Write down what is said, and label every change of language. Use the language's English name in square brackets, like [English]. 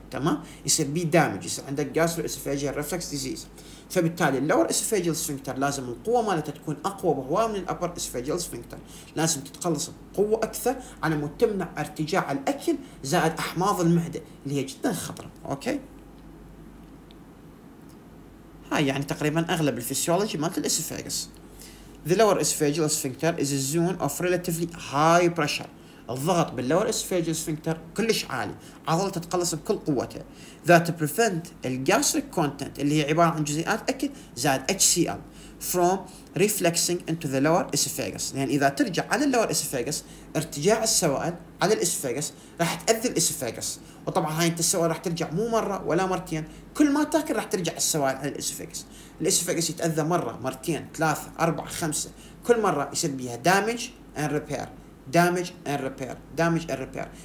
[Arabic] تمام، يصير بي دامج، يصير عندك جاسترو اسفاجيال ريفلكس ديزيز، فبالتالي اللور اسفاجيال سفنكتر لازم القوه مالته تكون اقوى بهواه من الابر اسفاجيال سفنكتر، لازم تتقلص بقوه اكثر على مود تمنع ارتجاع الاكل زائد احماض المعده اللي هي جدا خطره. اوكي، هاي يعني تقريبا اغلب الفسيولوجي مالت الاسفاجس. [English] The lower esophageal sphincter is a zone of relatively high pressure. [Arabic] الضغط باللور اسفاجيال سفنكتر كلش عالي، عضلة تتقلص بكل قوتها. [English] That prevent the gastric content [Arabic] اللي هي عبارة عن جزيئات أكل زائد HCL [English] from reflexing into the lower esophagus. [Arabic] يعني إذا ترجع على اللور اسفاجيال ارتجاع السوائل على الاسفاجس راح تأذي الاسفاجس، وطبعا هاي انت السوائل راح ترجع مو مره ولا مرتين، كل ما تاكل راح ترجع السوائل على الاسفاجس، الاسفاجس يتأذى مره مرتين ثلاثه اربعه خمسه، كل مره يصير بيها [English] damage and repair, damage and repair, [Arabic] دامج اند ريبير.